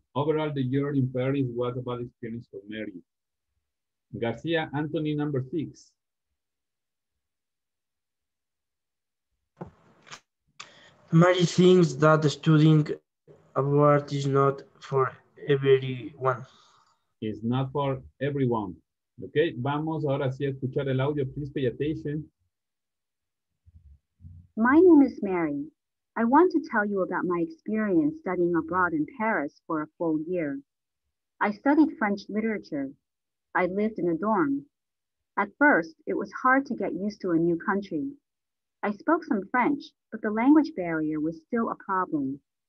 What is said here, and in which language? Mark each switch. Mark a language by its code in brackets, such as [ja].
[en] Overall, the urine party was a bad experience for Mary. García Anthony, number 6. Mary thinks that studying abroad is not for everyone. It's not for everyone. [es] Okay, vamos ahora sí a escuchar el audio. [en] Please pay attention. My name is Mary. I want to tell you about my experience studying abroad in Paris for a full year. I studied French literature. I lived in a dorm. At first, it was hard to get used to a new country. I spoke some French, but the language barrier was still a problem.